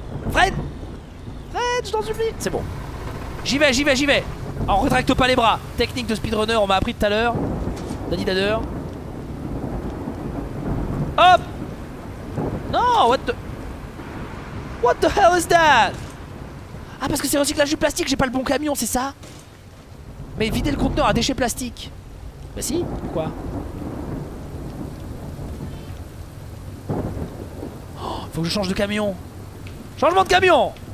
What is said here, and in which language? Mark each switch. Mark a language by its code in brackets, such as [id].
[fr] Fred, je t'en supplie. C'est bon. J'y vais. Alors, retracte pas les bras. Technique de speedrunner, on m'a appris tout à l'heure. Daddy Dadder. Hop. Non, [en] What the hell is that? [fr] Ah, parce que c'est recyclage du plastique, j'ai pas le bon camion, c'est ça? Mais vider le conteneur à déchets plastiques. Bah si, pourquoi? Oh, faut que je change de camion. Changement de camion!